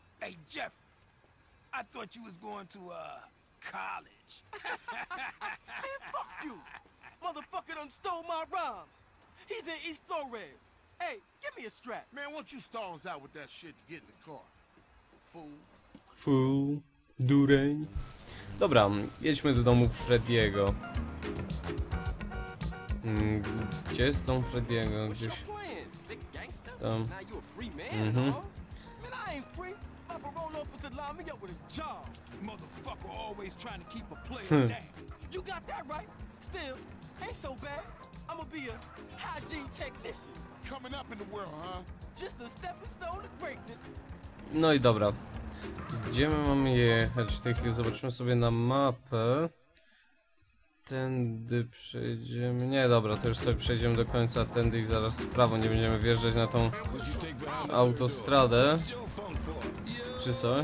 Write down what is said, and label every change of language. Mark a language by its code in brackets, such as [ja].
[en] Hey, Jeff, I thought you was going to, college. Man, fuck you. Motherfucker done stole my rhymes. He's in East Flores. Hey, give me a strap. Man, won't you stalls out with that shit to get in the car? Fool. Fool. Dureń. [pl] Dobra, jedźmy do domu Freddiego. Gdzie jest dom Freddiego? Gdzieś... Tam. [en] Man, I ain't free. My parole officer lined me up with a job. Motherfucker always trying to keep a player down. You got that right. Still, ain't so bad. I'ma be a hygiene technician. Coming up in the world, huh? Just a stepping stone to greatness. [pl] No i dobra. Gdzie my mamy jechać w tej chwili? Zobaczymy sobie na mapę. Tędy przejdziemy. Nie, dobra, to już sobie przejdziemy do końca tędy i zaraz w prawo. Nie będziemy wjeżdżać na tą autostradę. Czy co?